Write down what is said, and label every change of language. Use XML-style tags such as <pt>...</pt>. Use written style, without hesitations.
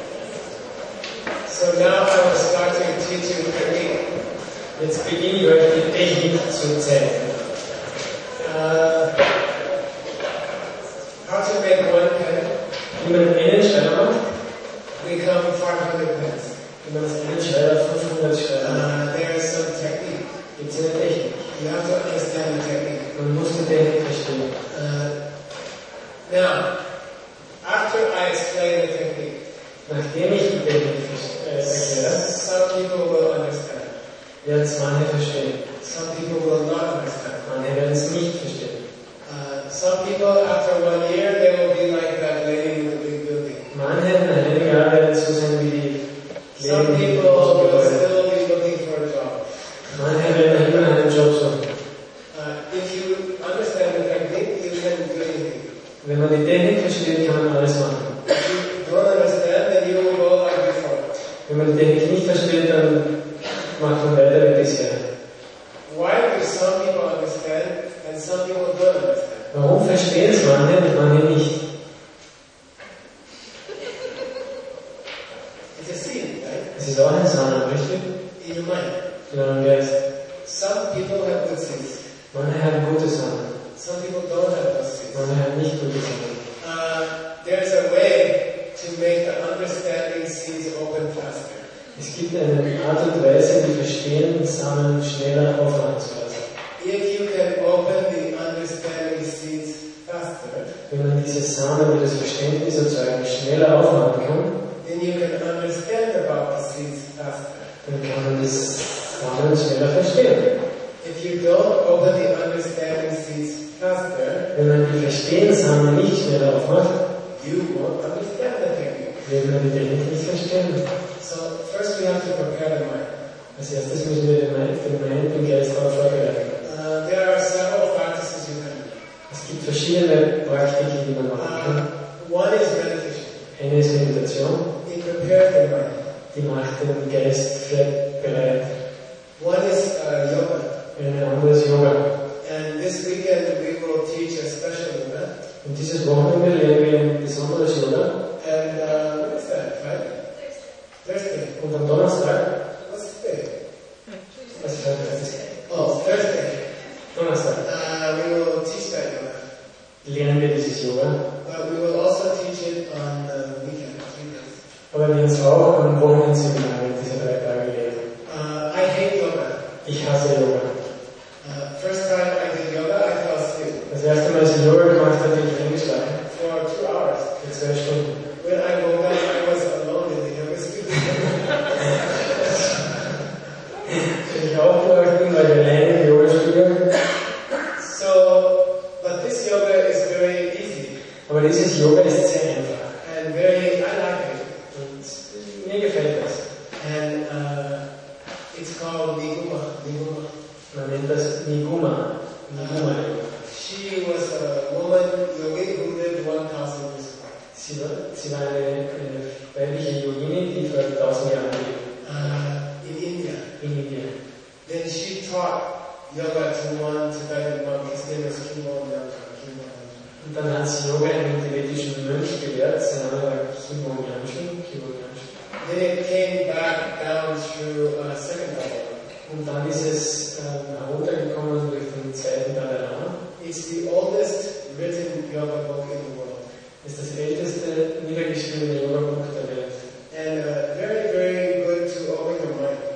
<en>So now I will start to teach you the technique.</en> <de>Jetzt beginne ich euch die Technik zu zählen.</de> <en>How to make one pen?</en> <de>Wie man einen Schreiber</de> <en>become 500 pens.</en> <de>Wie man einen Schreiber 500 Schreiber.</de> <en>There is some technique.</en> <de>Gibt es eine Technik?</de> <en>You have to understand the technique.</en> <de>Man muss die Technik verstehen.</de> <en>Now, after I explain the technique,</en> <de>nachdem ich die Technik erkläre,</de> <en>some people will understand.</en> <de>Werden es manche verstehen.</de> <en>Some people will not understand.</en> <de>Manche werden es nicht verstehen.</de> <en>Some people, after 1 year, they will be like that lady in the big building.</en> <de>Manche werden ein Jahr werden so sein wie die</de> <en>Lady in the big building. Some people will still be looking for a job.</en> <de>Manche werden immer einen Job suchen.</de> <en>If you understand the technique, you can do anything.</en> <de>Wenn man die Technik versteht, kann man alles machen.</de> <en>If you don't understand, then you will go like before.</en> <de>Wenn man die Technik nicht versteht, dann macht man weiter wie bisher.</de> <en>Why do some people understand and some people don't understand?</en> <de>Warum verstehen es manche und manche nicht?</de> <en>It's a scene, right?</en> <de>Es ist auch eine Sache, richtig?</de> <en>In your mind.</en> <de>Genau, yes.</de> <en>Some people have good sense.</en> <de>Manche haben gute Sachen.</de> <en>Some people don't have good sense.</en> <de>Manche haben nicht gute Sachen.</de> <en>There is a way to make the understanding scenes open faster.</en> <de>Es gibt eine Art und Weise, die Verstehen zusammen schneller aufmachen zu lassen.</de> <en>If you can open the understanding seeds faster,</en> <de>wenn man diese Samen, die das Verständnis erzeugen, schneller aufmachen kann,</de> <en>then you can understand about the seeds faster.</en> <de>Dann kann man das Samen schneller verstehen.</de> <en>If you don't open the understanding seeds faster,</en> <de>wenn man die Verstehensamen nicht schneller aufmacht,</de> <en>you won't understand the technique.</en> <de>Wird man die Technik nicht verstehen.</de> <en>So first we have to prepare the mind.</en> <de>Als erstes müssen wir den Mind und Geist darauf vorbereiten.</de> <en>There are several practices you can do.</en> <de>Es gibt verschiedene Praktiken, die man machen kann.</de> <en>One is meditation.</en> <de>Eine ist Meditation.</de> <en>It prepares the mind.</en> <de>Die macht den Geist bereit.</de> <en>One is yoga.</en> <de>Eine andere ist Yoga.</de> <en>And this weekend we will teach a special yoga.</en> <de>Und dieses Wochenende lernen wir ein besonderes Yoga.</de> <en>And what is that, right? Thursday.</en> <de>Und am Donnerstag.</de> <en>What's the day?</en> <de>Was ist heute?</de> <en>Thursday.</en> <de>Donnerstag.</de> <en>We will teach that yoga.</en> <de>Lernen wir dieses Yoga.</de> <en>But we will also teach it on the weekend.</en> <de>Aber wir werden es auch am Wochenende Seminar mit diesen 3 Tagen lernen.</de> <en>I hate yoga.</en> <de>Ich hasse Yoga.</de> <en>First time I did yoga, I fell asleep.</en> <de>Das erste Mal, als ich Yoga gemacht habe, bin ich eingeschlafen.</de> <en>For 2 hours.</en> <de>Für 2 Stunden.</de> <en>When I woke up, I was alone in the yoga studio.</en> <de>Bin ich aufgewacht, weil ich allein im Yoga studio.</de> <en>So, but this yoga is very easy.</en> <de>Aber dieses Yoga ist sehr einfach.</de> <en>And very, I like it.</en> <de>Und mir gefällt das.</de> <en>And it's called Niguma. Niguma.</en> <de>Man nennt das Niguma. Niguma.</de> <en>She was a woman yogi who lived 1,000 years ago.</en> <de>Sie war eine weibliche Yogini, die vor 1,000 Jahren lebte.</de> <en>In India.</en> <de>In India.</de> <en>Then she taught yoga to one Tibetan monk. His name is Khimon Yamchen.</en> <de>Und dann hat sie Yoga einem tibetischen Mönch gelehrt. Sein Name war Khimon Yamchen.</de> <en>Then it came back down through second Dalai Lama.</en> <de>Und dann ist es heruntergekommen durch den 2. Dalai Lama.</de> <en>It's the oldest written yoga book in the world.</en> <de>Ist das älteste niedergeschriebene Yoga Buch der Welt.</de> <en>And very, very good to open your mind.</en>